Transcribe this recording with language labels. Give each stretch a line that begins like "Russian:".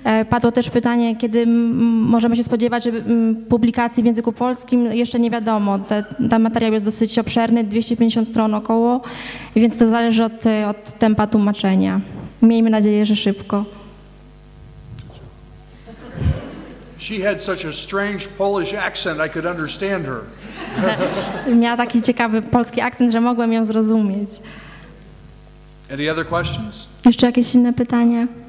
Polish: Padło też pytanie, kiedy możemy się spodziewać publikacji w języku polskim, jeszcze nie wiadomo. Ten materiał jest dosyć obszerny, 250 stron około, więc to zależy od tempa tłumaczenia. Miejmy nadzieję, że szybko.
English: She had such a strange Polish accent, I could understand her.
Polish: Miała taki ciekawy polski akcent, że mogłem ją zrozumieć.
English: Any other questions?
Polish: Jeszcze jakieś inne pytania?